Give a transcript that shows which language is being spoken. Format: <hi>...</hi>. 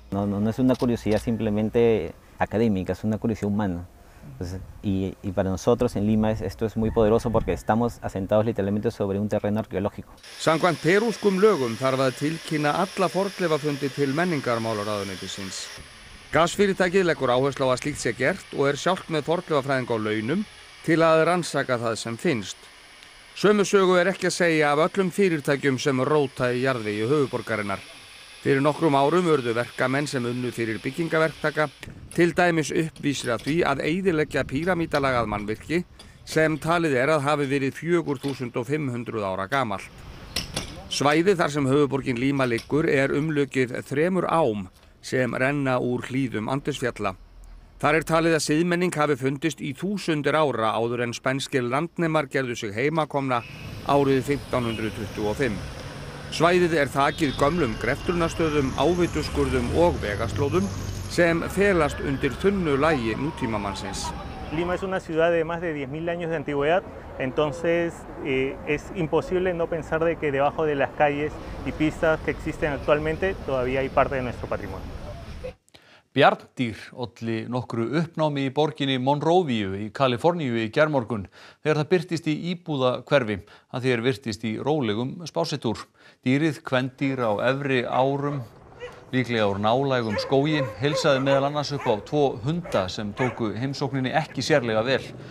<es>No es una curiosidad simplemente académica, es una curiosidad humana. Y para nosotros en Lima esto es muy poderoso porque estamos asentados literalmente sobre un terreno arqueológico.</es> <is>Samkvæmt perúskum lögum þarf að tilkynna alla fornleifafundi til menningarmálaráðuneytisins. Gasfyrirtækið leggur áherslu á að slíkt sé gert og sjálft með fornleifafræðing á launum til að rannsaka það sem finnst. Sömu sögu ekki að segja af öllum fyrirtækjum sem róta í jarði í höfuðborgarinnar. Fyrir nokkrum árum urðu verkamenn sem unnu fyrir byggingaverktaka til dæmis uppvísir að því að eyðileggja píramídalagað mannvirki sem talið að hafi verið 4.500 ára gamalt. Svæðið þar sem höfuðborgin Líma liggur umlukið þremur ám sem renna úr hlíðum Andesfjalla. Þar talið að siðmenning hafi fundist í þúsundir ára áður en spænskir landnemar gerðu sig heimakomna árið 1525. Svæðið þakið gömlum greftrunarstöðum, áveituskurðum og vegaslóðum sem felast undir þunnu lagi nútímamannsins.</is> <es>Lima es una ciudad de más de 10.000 años de antigüedad, entonces es imposible no pensar de que debajo de las calles y pistas que existen actualmente todavía hay parte de nuestro patrimonio.</es> <is>Bjarndýr olli nokkru uppnámi í borginni Monrovíu í Kaliforníu í gærmorgun þegar það birtist í íbúðahverfi að því virtist í rólegum spásetúr. Dýrið kvendýr á efri árum, líklega úr nálægum skógi, heilsaði meðal annars upp á tvo hunda sem tóku heimsókninni ekki sérlega vel.</is>